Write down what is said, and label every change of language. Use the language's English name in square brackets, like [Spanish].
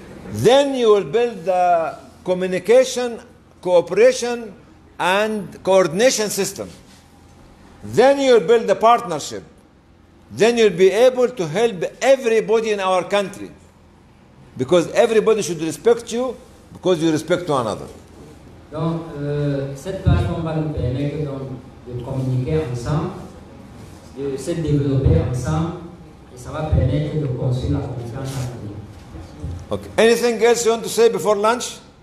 [English] Then you will build the communication, cooperation, and coordination system. Then you'll build a partnership. Then you'll be able to help everybody in our country. Because everybody should respect you, because you respect one another. [French] Donc, cette plateforme va nous permettre de communiquer ensemble, de se développer ensemble, et ça va permettre de construire la confiance. [English] Okay. Anything else you want to say before lunch?